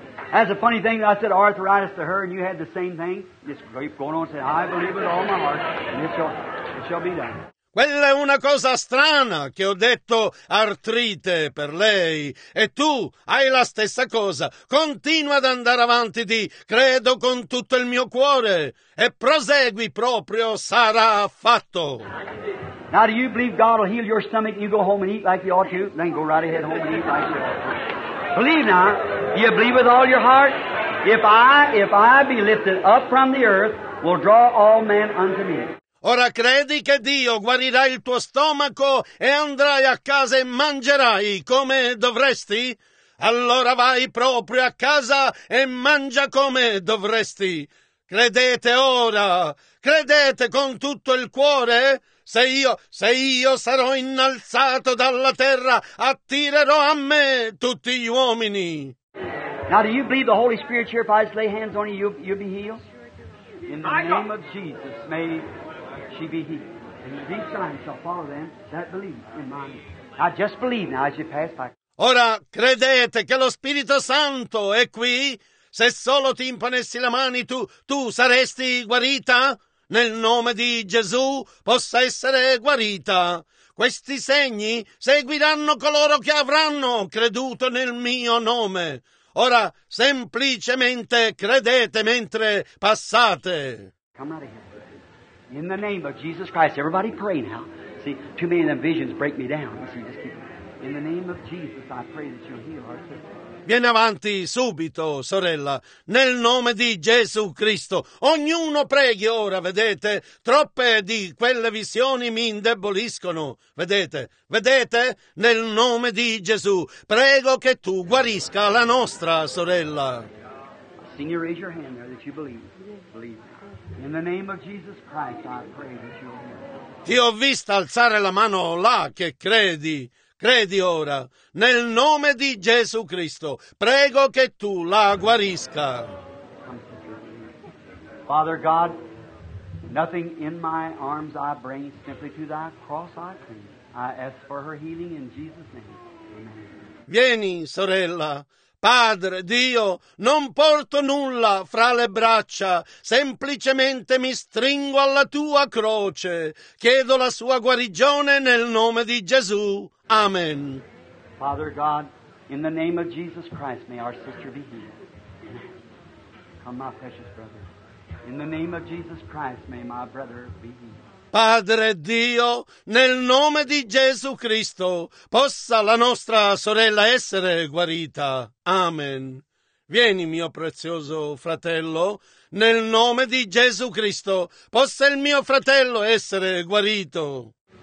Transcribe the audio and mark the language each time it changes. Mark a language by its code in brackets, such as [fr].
[en] That's a funny thing. I said arthritis to her, and you had the same thing. Just keep going on and say, I believe with all my heart, and it shall be done. [it] Quella è una cosa strana che ho detto artrite per lei. E tu hai la stessa cosa. Continua ad andare avanti di credo con tutto il mio cuore. E prosegui proprio, sarà fatto. [en] Now do you believe God will heal your stomach and you go home and eat like you ought to? Then go right ahead home and eat like you ought to. Believe now. Do you believe with all your heart? If I be lifted up from the earth, will draw all men unto me. [it] Ora credi che Dio guarirà il tuo stomaco e andrai a casa e mangerai come dovresti? Allora vai proprio a casa e mangia come dovresti. Credete ora, credete con tutto il cuore? Se io sarò innalzato dalla terra, attirerò a me tutti gli uomini. [en] Now do you believe the Holy Spirit here? If I just lay hands on you, you'll be healed? In the name of Jesus, may she be healed. And these signs shall follow them that believe in my name. Now just believe now as you pass by. [it] Ora, credete che lo Spirito Santo è qui? Se solo ti imponessi le mani, tu saresti guarita? Nel nome di Gesù possa essere guarita. Questi segni seguiranno coloro che avranno creduto nel mio nome. Ora, semplicemente credete mentre passate. [en] Come out of here. In the name of Jesus Christ, everybody pray now. See, too many of them visions break me down. See, just keep... In the name of Jesus, I pray that you'll heal our sister. [it] Vieni avanti subito, sorella, nel nome di Gesù Cristo. Ognuno preghi ora, vedete? Troppe di quelle visioni mi indeboliscono, vedete? Vedete? Nel nome di Gesù, prego che tu guarisca la nostra sorella. [en] Signore, raise your hand there that you believe. Believe. In the name of Jesus Christ, I pray that you will hear. [it] Ti ho visto alzare la mano là che credi. Credi ora, nel nome di Gesù Cristo, prego che tu la guarisca. [en] Father God, nothing in my arms I bring, simply to thy cross I cling. I ask for her healing in Jesus' name. Amen. [it] Vieni, sorella. Padre Dio, non porto nulla fra le braccia, semplicemente mi stringo alla tua croce. Chiedo la sua guarigione nel nome di Gesù. Amen. [en] Father God, in the name of Jesus Christ, may our sister be healed. Come, my precious brother. In the name of Jesus Christ, may my brother be healed. [it] Padre Dio, nel nome di Gesù Cristo, possa la nostra sorella essere guarita. Amen. Vieni, mio prezioso fratello, nel nome di Gesù Cristo, possa il mio fratello essere guarito.